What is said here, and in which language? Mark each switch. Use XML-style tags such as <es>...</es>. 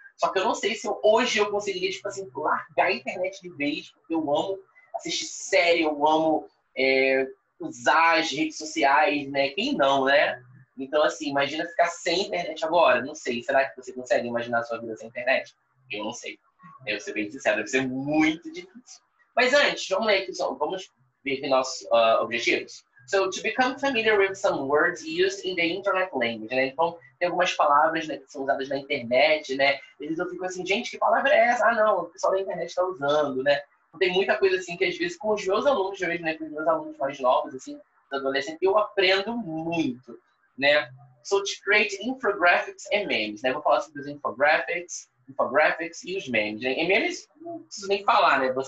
<pt>Só que eu não sei se hoje eu conseguiria, tipo assim, largar a internet de vez, porque eu amo assistir série, eu amo usar as redes sociais, né? Quem não, né? Então, assim, imagina ficar sem internet agora. Não sei, será que você consegue imaginar sua vida sem internet? Eu não sei. Eu vou ser bem sincero, deve ser muito difícil. Mas antes, vamos ler aqui, vamos ver aqui nossos objetivos.</pt> <en>So, to become familiar with some words used in the internet language, né?</en> <pt>Então, tem algumas palavras, né, que são usadas na internet, né? Eles ficam assim, gente, que palavra é essa? Ah, não, o pessoal da internet está usando, né? Então, tem muita coisa assim que às vezes com os meus alunos, mesmo, né, com os meus alunos mais novos, assim, adolescentes, eu aprendo muito, né?</pt> <en>So, to create infographics and memes,</en> <pt>né? Vou falar sobre os infographics e os memes, né? E memes, não preciso nem falar, né?</pt>